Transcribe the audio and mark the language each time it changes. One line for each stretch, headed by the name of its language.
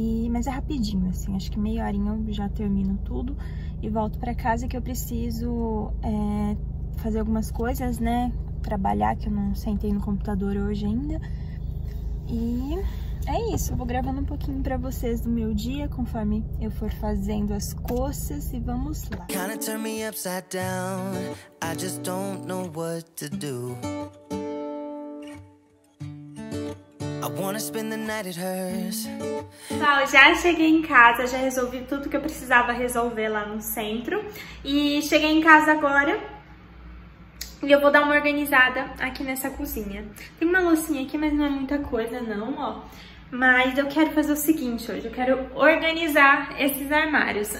Portuguese: Mas é rapidinho, assim, acho que meia horinha eu já termino tudo e volto para casa, que eu preciso fazer algumas coisas, né? Trabalhar, que eu não sentei no computador hoje ainda. E é isso, eu vou gravando um pouquinho para vocês do meu dia, conforme eu for fazendo as coisas, e vamos lá.
English: Kinda turn me upside down, I just don't know what to do.
Portuguese: Bom, já cheguei em casa, já resolvi tudo que eu precisava resolver lá no centro. E cheguei em casa agora e eu vou dar uma organizada aqui nessa cozinha. Tem uma loucinha aqui, mas não é muita coisa não, ó. Mas eu quero fazer o seguinte hoje, eu quero organizar esses armários.